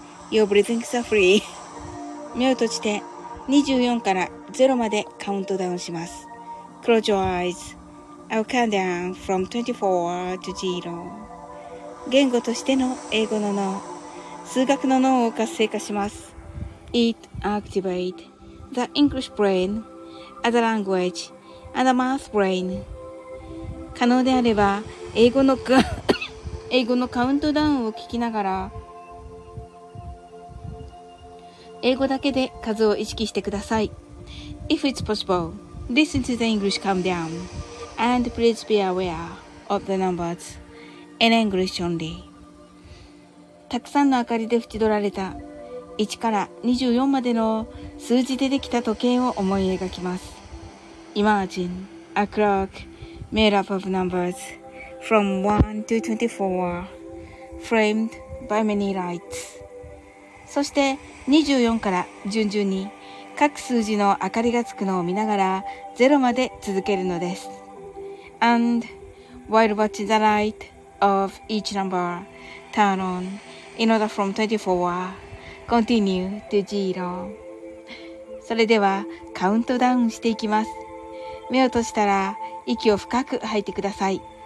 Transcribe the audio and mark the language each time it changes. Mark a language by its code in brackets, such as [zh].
[en] Your breathing is free. [ja] 目を閉じて、24から0までカウントダウンします。 [en] Close your eyes. I'll count down from 24 to 0. [ja] 言語としての英語の脳、数学の脳を活性化します。 [en] It activates the English brain as the language and the math brain. [ja] 可能であれば、英語のカウントダウンを聞きながら、英語だけで数を意識してください。 [en] If it's possible,Listen to the English countdown and please be aware of the numbers in English only. [ja] たくさんの明かりで縁取られた1から24までの数字でできた時計を思い描きます。 [en] Imagine a clock made up of numbers from 1 to 24 framed by many lights. [ja] そして24から順々に各数字の明かりがつくのを見ながら0まで続けるのです。 [en] And while watching the light of each number turn on in order from 24, continue to 0. [ja] それではカウントダウンしていきます。目を閉じたら息を深く吐いてください。